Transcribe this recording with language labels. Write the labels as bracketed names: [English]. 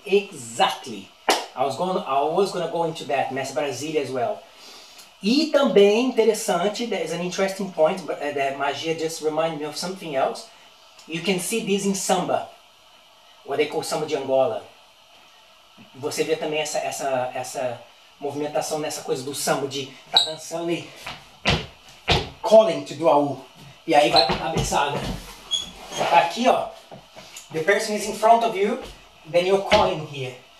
[English] Exactly. I was going to go into that, Mestre Brasil as well. [Portuguese] E também interessante, [English] there is an interesting point, but that magia just reminded me of something else. You can see this in samba, what they call samba de Angola. [Portuguese] Você vê também essa movimentação nessa coisa do samba, de tá dançando e [English] calling to do [Portuguese] AU. E aí vai pra cabeçada. Aqui, ó, [English] the person is in front of you, then you're calling here.